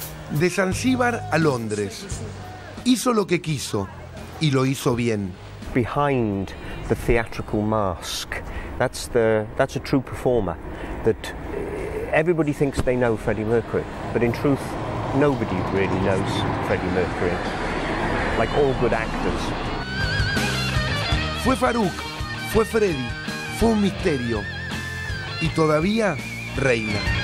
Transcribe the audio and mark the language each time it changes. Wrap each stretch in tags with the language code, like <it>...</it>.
<es>De Zanzíbar a Londres, hizo lo que quiso y lo hizo bien.</es> <en>Behind the theatrical mask, that's a true performer. That everybody thinks they know Freddie Mercury, but in truth, nobody really knows Freddie Mercury. Like all good actors.</en> <es>Fue Farouk, fue Freddie, fue un misterio y todavía reina.</es>